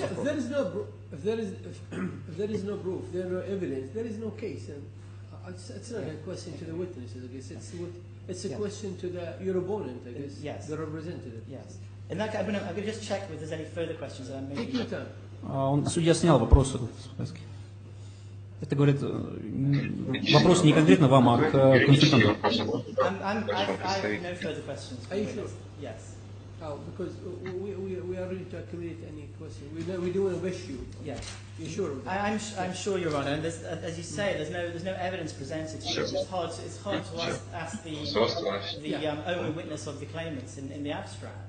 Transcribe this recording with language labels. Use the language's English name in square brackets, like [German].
[English] If there is no proof, there is no evidence, there is no case. And it's not a question to the witnesses, I guess. It's a question to the your opponent, I guess. Yes. The representative. Yes. And that I'm going to just check if there's any further questions. Take your time. [Russian] Он судья снял вопрос. Это говорит вопрос не конкретно вам, а к консультанту. [English] I have no further questions. Are you sure? Yes. How? Because we are ready to accommodate any question. We do want to wish you. Yeah. You're sure? I'm sure, Your Honor. And as you say, there's no evidence presented. Sure. It's hard to ask the only witness of the claimants in the abstract.